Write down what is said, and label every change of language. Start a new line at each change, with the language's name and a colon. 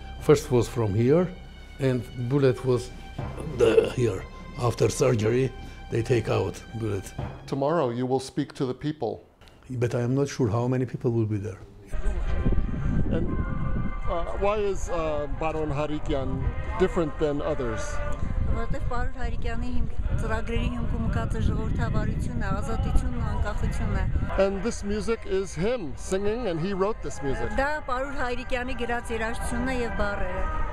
English: First was from here, and bullet was here. After surgery, they take out bullet. Tomorrow you will speak to the people. But I am not sure how many people will be there. And why is Baron Harikyan different than others?
Armenian: Որտեղ Պարոն Հարիկյանի ծրագրերի հիմքում կած է ժողովրդավարությունը, ազատությունն ու անկախությունը։
English: And this music is him singing and he wrote this music.
Armenian: Դա Պարոն Հարիկյանի գրած երաժշտությունն է եւ բառերը։